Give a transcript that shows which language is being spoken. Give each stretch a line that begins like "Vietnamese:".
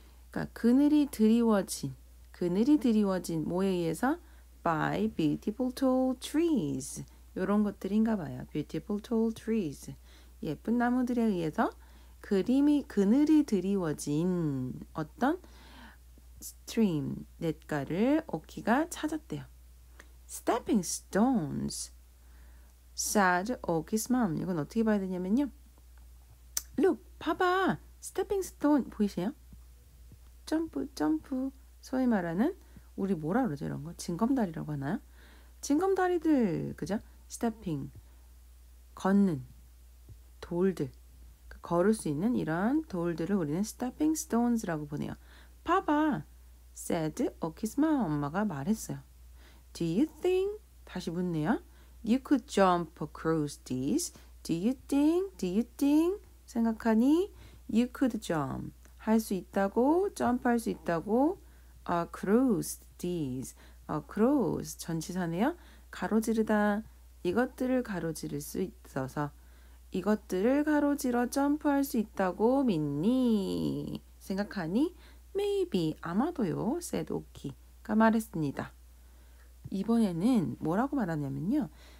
Korean: 그러니까 그늘이 드리워진, 그늘이 드리워진 뭐에 의해서
English: by beautiful tall trees
Korean: 요런 것들인가 봐요.
English: Beautiful tall trees.
Korean: 예쁜 나무들에 의해서 그림이 그늘이 드리워진 어떤 stream 냇가를 오키가 찾았대요.
English: Stepping stones, said Oki's mom.
Korean: 이건 어떻게 봐야 되냐면요.
English: Look,
Korean: 봐봐.
English: Stepping stone
Korean: 보이세요? 점프, 점프. 소위 말하는 우리 뭐라 그러죠 이런 거? 징검다리라고 하나요? 징검다리들, 그죠? Stepping, 걷는 돌들. 걸을 수 있는 이런 돌들을 우리는 stepping stones라고 보네요. 봐봐,
English: said Oki's mom.
Korean: 엄마가 말했어요.
English: Do you think,
Korean: 다시 묻네요.
English: You could jump across these. Do you think,
Korean: 생각하니,
English: you could jump,
Korean: 할 수 있다고,
English: jump 할 수 있다고, across these, across,
Korean: 전치사네요. 가로지르다, 이것들을 가로지를 수 있어서, 이것들을 가로지러 점프할 수 있다고 믿니? 생각하니?
English: Maybe,
Korean: 아마도요,
English: said Oki가
Korean: 말했습니다. 이번에는 뭐라고 말하냐면요.